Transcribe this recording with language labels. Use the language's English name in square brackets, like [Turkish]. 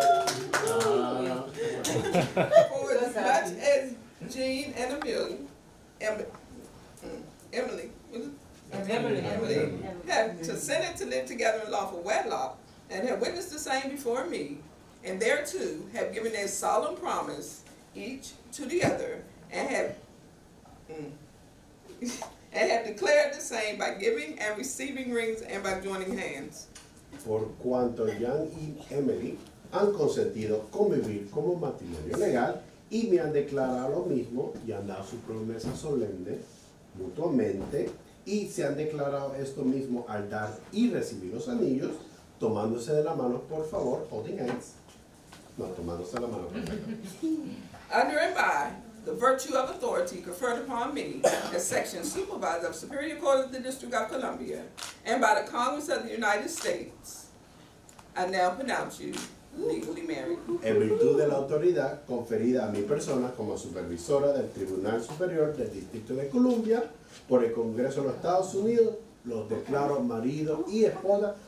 [English] For as much as Jean and Amelie, Emily, have consented to live together in lawful wedlock and have witnessed the same before me, and thereto have given a solemn promise each to the other, and have declared the same by giving and receiving rings and by joining hands. [Spanish] por cuanto Jan y Emily han consentido convivir como matrimonio legal y me han declarado lo mismo y han dado su promesa solemne mutuamente y se han declarado esto mismo al dar y recibir los anillos, tomándose de la mano, por favor, [English] holding hands. [Spanish] No, tomándose de la mano, por favor. [English] Under and by the virtue of authority conferred upon me as section supervisor of Superior Court of the District of Columbia and by the Congress of the United States, I now pronounce you legally married. [Spanish] En virtud de la autoridad conferida a mi persona como supervisora del Tribunal Superior del Distrito de Columbia por el Congreso de los Estados Unidos, los declaro marido y esposa.